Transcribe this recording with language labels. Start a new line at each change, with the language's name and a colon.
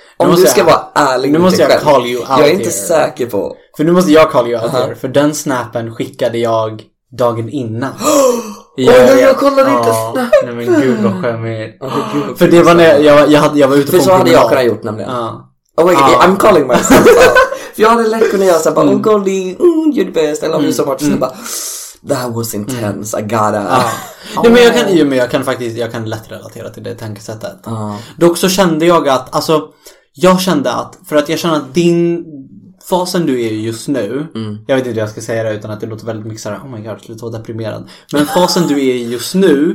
Swedish: Om du ska vara ärlig nu måste jag själv,
English: call you out.
Swedish: Jag är inte säker på. För nu måste jag
English: call you out here.
Swedish: För den snappen skickade jag dagen innan. Jag kollade inte snappen. Nej men gud vad skämmigt. För det var när jag var ute på en promenad. För så hade jag kunnat gjort nämligen.
English: Oh my god, I'm calling myself.
Swedish: För jag hade lätt kunnat göra såhär,
English: oh golly, you're the best. I love you so much.
Swedish: Så
English: that was intense, I gotta.
Swedish: Nej, men jag kan lätt relatera till det tankesättet. Dock så kände jag att, alltså, jag kände att, för att jag känner att din fasen du är just nu, jag vet inte hur jag ska säga det utan att det låter väldigt mycket såhär,
English: oh my god,
Swedish: lite så deprimerad. Men fasen du är just nu